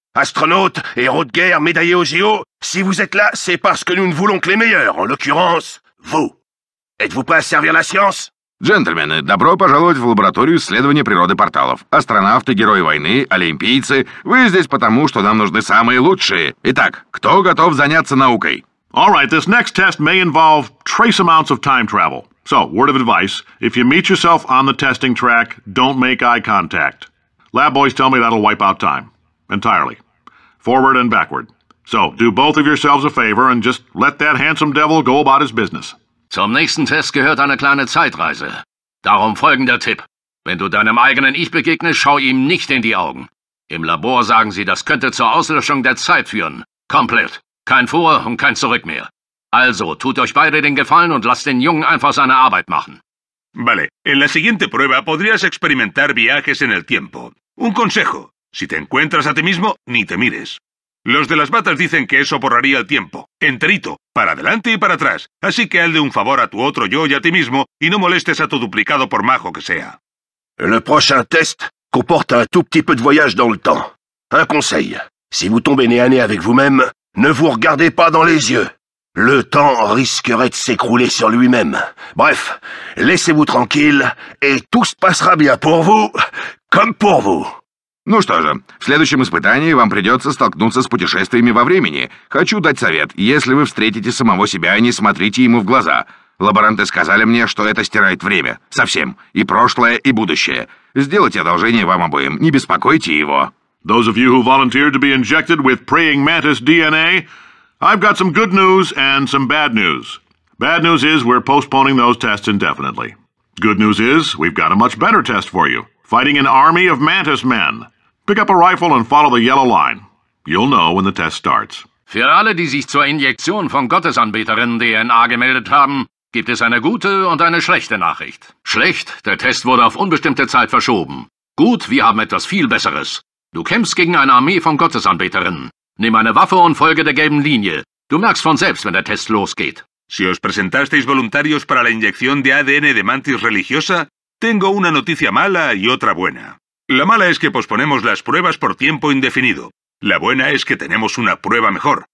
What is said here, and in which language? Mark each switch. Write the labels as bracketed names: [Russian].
[French] Astronautes, héros de guerre, médaillés aux JO, si vous êtes là, c'est parce que nous ne voulons que les meilleurs, en l'occurrence, vous. Êtes-vous prêts à servir la science? [Russian] Джентльмены, добро пожаловать в лабораторию исследования природы порталов. Астронавты, герои войны, олимпийцы, вы здесь потому, что нам нужны самые лучшие. Итак, кто готов заняться наукой? [English] All right, this next test may involve trace amounts of time travel. So, word of advice, if you meet yourself on the testing track, don't make eye contact. Lab boys tell me that'll wipe out time. Entirely. Forward and backward. So, do both of yourselves a favor and just let that handsome devil go about his business. [German] Zum nächsten Test gehört eine kleine Zeitreise. Darum folgender Tipp. Wenn du deinem eigenen Ich begegnest, schau ihm nicht in die Augen. Im Labor sagen sie, das könnte zur Auslöschung der Zeit führen. Komplett. Kein Vor und kein Zurück mehr. Also, tut euch beide den Gefallen und lasst den Jungen einfach seine Arbeit machen. [Spanish] Vale. En la siguiente prueba podrías experimentar viajes en el tiempo. Un consejo. Si te encuentras a ti mismo, ni te mires. Los de las batas dicen que eso borraría el tiempo, enterito, para adelante y para atrás. Así que hazle un favor a tu otro yo y a ti mismo, y no molestes a tu duplicado por majo que sea. [French] Le prochain test comporte un tout petit peu de voyage dans le temps. Un conseil, si vous tombez nez à nez avec vous-même, ne vous regardez pas dans les yeux. Le temps risquerait de s'écrouler sur lui-même. Bref, laissez-vous tranquille, et tout se passera bien pour vous, comme pour vous. [Russian] Ну что же, в следующем испытании вам придется столкнуться с путешествиями во времени. Хочу дать совет, если вы встретите самого себя, не смотрите ему в глаза. Лаборанты сказали мне, что это стирает время. Совсем. И прошлое, и будущее. Сделайте одолжение вам обоим, не беспокойте его. [English] Those of you who volunteered to be injected with praying mantis DNA, I've got some good news and some bad news. Bad news is we're postponing those tests indefinitely. Good news is we've got a much better test for you. Fighting an army of mantis men. Pick up a rifle and follow the yellow line. You'll know when the test starts. [German] Für alle, die sich zur Injektion von Gottesanbeterin DNA gemeldet haben, gibt es eine gute und eine schlechte Nachricht. Schlecht, der Test wurde auf unbestimmte Zeit verschoben. Gut, wir haben etwas viel Besseres. Du kämpfst gegen eine Armee von Gottesanbeterinnen. Nimm eine Waffe und folge der gelben Linie. Du merkst von selbst, wenn der Test losgeht. [Spanish] Si os presentasteis voluntarios para la inyección de ADN de mantis religiosa, tengo una noticia mala y otra buena. La mala es que posponemos las pruebas por tiempo indefinido. La buena es que tenemos una prueba mejor.